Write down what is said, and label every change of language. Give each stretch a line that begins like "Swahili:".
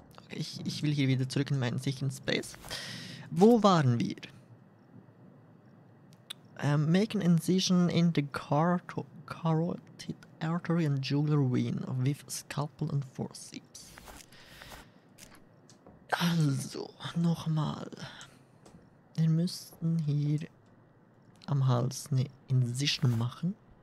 German: Ich will hier wieder zurück in meinen sicheren Space. Wo waren wir?
English: Make an incision in the carotid artery and jugular vein with scalpel and forceps.
German: Also, nochmal. Wir müssten hier am Hals eine Incision machen.